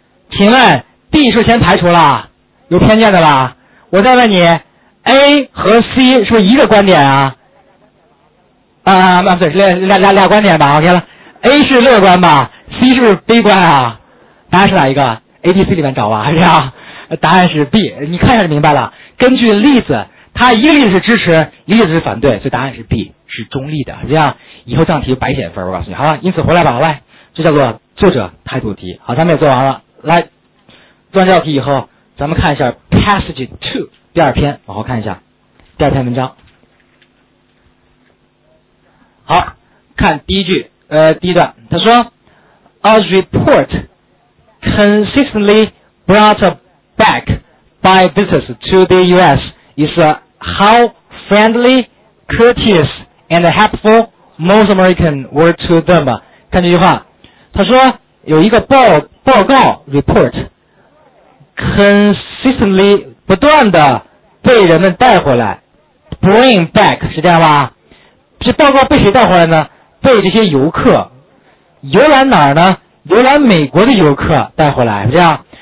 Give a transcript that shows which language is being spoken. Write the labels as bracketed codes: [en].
[zh] 请问 B 是先排除了有偏见的吧，我再问你 A 和 C 是不是一个观点啊，啊不对，俩观点吧， OK 了， A 是乐观吧， C 是不是悲观啊，答案是哪一个， ABC 里面找吧，是吧，答案是 B， 你看一下就明白了，根据例子它一个例子是支持一个例子是反对，所以答案是 B， 是中立的，这样以后这样题白写分，我告诉你好吧，因此回来吧，来这叫做作者态度题。好，咱们也做完了，来做完这道题以后咱们看一下 Passage 2第二篇，往后看一下第二篇文章。好，看第一句，第一段，他说 [en] A report consistently brought back by visitors to the US is how friendly, courteous and helpful most Americans were to them。 [zh] 看这句话，他说有一个报告 [en] report consistently [zh] 不断的被人们带回来， bring back 是这样吧，这报告被谁带回来呢，被这些游客，游览哪儿呢，游览美国的游客带回来，这样